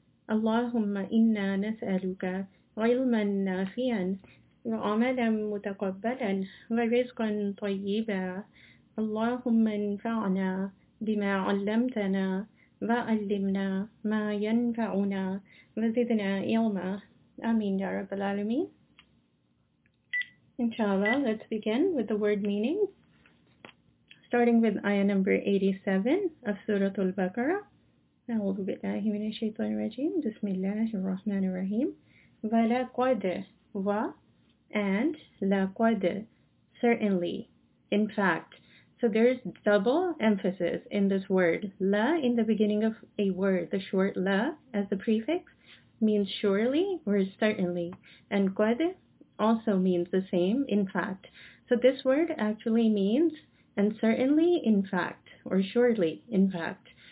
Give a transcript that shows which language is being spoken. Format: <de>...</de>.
<ar>اللهم إنا نسألك علما نافعا وعملا متقبلا ورزقا طيبا اللهم انفعنا بما علمتنا وعلمنا ما ينفعنا وزدنا علما آمين يا رب العالمين.</ar> <en>Inshallah, let's begin with the word meaning. Starting with ayah number 87 of Surah Al-Baqarah.</en> <ar>أعوذ بالله من الشيطان الرجيم بسم الله الرحمن الرحيم ولقد و and لقد</ar> <en>certainly in fact. So there's double emphasis in this word la in the beginning of a word. The short la as the prefix means surely or certainly, and قد also means the same, in fact. So this word actually means and certainly in fact or surely in fact.</en>